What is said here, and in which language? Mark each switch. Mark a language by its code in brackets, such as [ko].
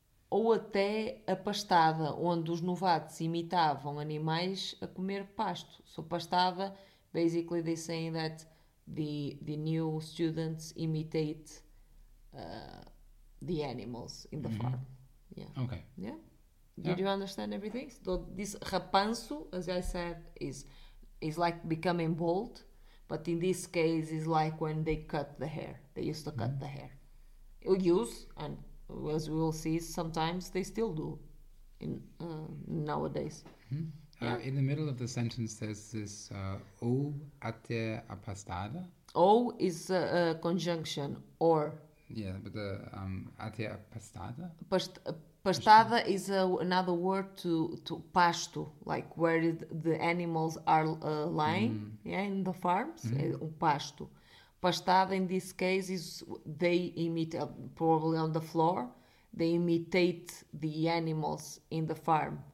[pt] Ou até a pastada, onde os novatos imitavam animais a comer pasto. [en] So pastada, basically they saying that the new students imitate the animals in the mm-hmm. farm. Yeah. Okay. Yeah. Did you understand everything? So this rapanço, as I said, is like becoming bald, but in this case is like when they cut the hair. They used to cut the hair. Use, and as we will see, sometimes they still do in nowadays. Mm-hmm. In the middle of the sentence, there's this [pt] o até a pastada. [en] O is a conjunction, or. Yeah, but the [pt] até a pastada. [en] Pastada is another word to pasto, like where the animals are lying in the farms, pasto. Pastada in this case is they imitate, probably on the floor, they imitate the animals in the farm.